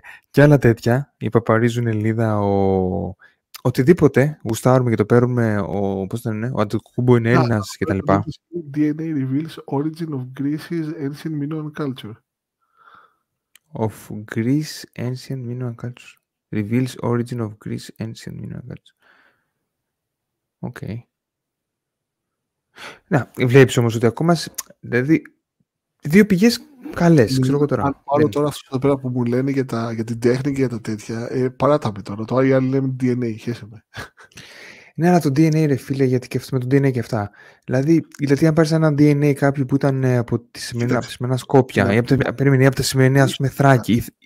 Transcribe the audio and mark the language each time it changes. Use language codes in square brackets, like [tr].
[el] και άλλα τέτοια, η Παπαρίζουν Ελίδα, οτιδήποτε γουστάρουμε και το παίρνουμε, πώς το λένε, ο Αντικούμπο είναι Έλληνας κτλ. [en] DNA reveals origin of Greece's ancient Minoan culture. Of Greece ancient Minoan culture. Reveals origin of Greece ancient Minoan culture. [el] Οκ. Να, βλέπεις όμως ότι ακόμα. Δηλαδή, δύο πηγές καλές, ξέρω εγώ τώρα. Αν πάρω τώρα αυτό εδώ πέρα που μου λένε για την τέχνη και για τα τέτοια, παράτα με τώρα. Τώρα οι άλλοι λένε DNA, χέσαμε. Ναι, αλλά το DNA, ρε φίλε, γιατί και αυτό με το DNA και αυτά. Δηλαδή αν πάρεις ένα DNA κάποιου που ήταν από τη σημερινή Σκόπια, περίμενε, ή από τη σημερινή, ας πούμε, Θράκη.